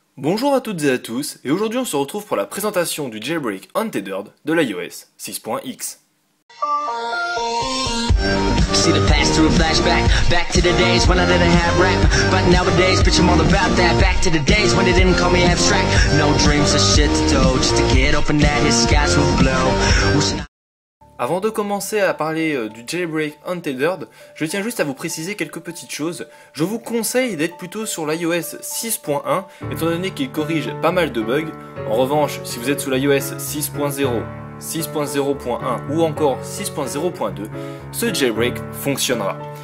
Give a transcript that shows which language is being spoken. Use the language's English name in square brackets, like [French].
[French] Bonjour à toutes et à tous, et aujourd'hui on se retrouve pour la présentation du jailbreak Untethered de l'iOS 6.x. [English] See the past through a flashback, back to the days when I didn't have rap. But nowadays, bitch, I'm all about that. Back to the days when they didn't call me abstract. No dreams or shit to do, just to get open that his skies will blow. [French] Avant de commencer à parler du jailbreak Untethered, je tiens juste à vous préciser quelques petites choses. Je vous conseille d'être plutôt sur l'iOS 6.1, étant donné qu'il corrige pas mal de bugs. En revanche, si vous êtes sous l'iOS 6.0, 6.0.1 ou encore 6.0.2, ce jailbreak fonctionnera.